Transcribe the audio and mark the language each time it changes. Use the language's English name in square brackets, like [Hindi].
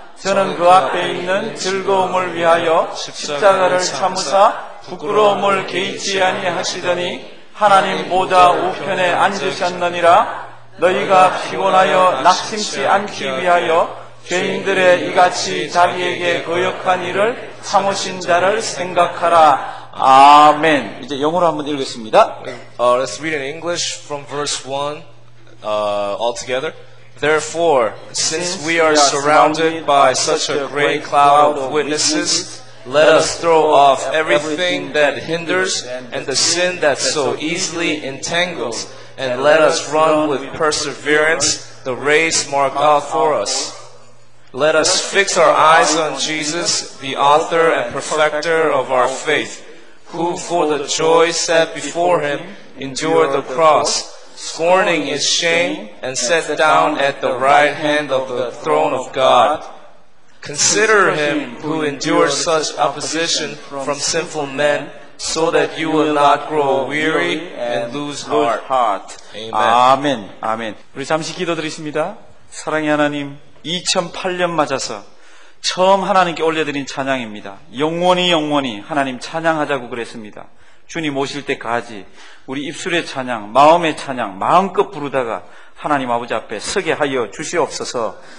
[Korean] 저는 그 앞에 있는 즐거움을 위하여 십자가를 참으사 부끄러움을 개의치 아니하시더니 하나님 보좌 우편에 앉으셨느니라. 너희가 피곤하여 낙심치 않기 위하여 죄인들의 이같이 자기에게 거역한 일을 참으신 자를 생각하라. 아멘. 이제 영어로 한번 읽겠습니다. [English] Let's read in English from verse 1 altogether. Therefore, since we are surrounded by such a great cloud of witnesses, let us throw off everything that hinders and the sin that so easily entangles, and let us run with perseverance the race marked out for us. Let us fix our eyes on Jesus, the author and perfecter of our faith, who for the joy set before him endured the cross, scorning his shame, and sat down at the right hand of the throne of God. Consider him who endured such opposition from sinful men, so that you will not grow weary and lose heart. Amen. Amen. [Korean] 우리 잠시 기도드리겠습니다. 사랑의 하나님, 2008년 맞아서 처음 하나님께 올려드린 찬양입니다. 영원히 영원히 하나님 찬양하자고 그랬습니다. 주님 오실 때까지 우리 입술의 찬양, 마음의 찬양, 마음껏 부르다가 하나님 아버지 앞에 서게 하여 주시옵소서.